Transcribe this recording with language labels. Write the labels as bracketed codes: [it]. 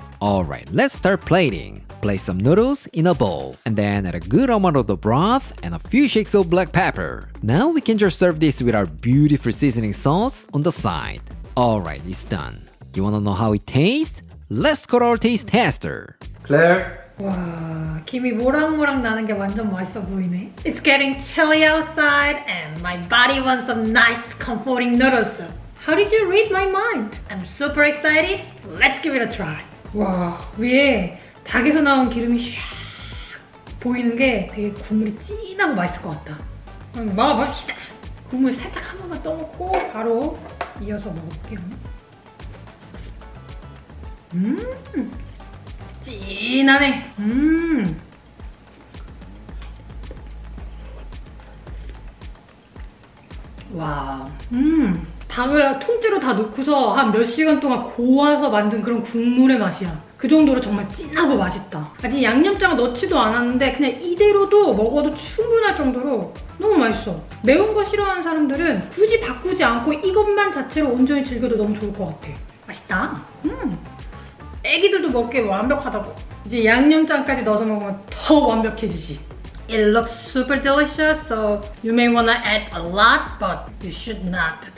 [en] Alright, let's start plating. Place some noodles in a bowl, and then add a good amount of the broth and a few shakes of black pepper. Now we can just serve this with our beautiful seasoning sauce on the side. Alright, it's done. You wanna know how it tastes? Let's call our taste tester. Claire, [ko] 와, 김이 모락모락 나는 게 완전 맛있어 보이네. [en] It's getting chilly outside and my body wants some nice comforting noodles. How did you read my mind? I'm super excited. Let's give it a try. [ko] 와, 위에 닭에서 나온 기름이 샥 보이는 게 되게 국물이 진하고 맛있을 것 같다. 먹어봅시다. 국물 살짝 한 번만 떠먹고 바로 이어서 먹어볼게요. 진하네. 와. 닭을 통째로 다 넣고서 한 몇 시간 동안 고아서 만든 그런 국물의 맛이야. 그 정도로 정말 진하고 맛있다. 아직 양념장 넣지도 않았는데 그냥 이대로도 먹어도 충분할 정도로 너무 맛있어. 매운 거 싫어하는 사람들은 굳이 바꾸지 않고 이것만 자체로 온전히 즐겨도 너무 좋을 것 같아. 맛있다. 애기들도 먹기에 완벽하다고. 이제 양념장까지 넣어서 먹으면 더 완벽해지지. [en] It looks super delicious, so you may want to add a lot, but you should not.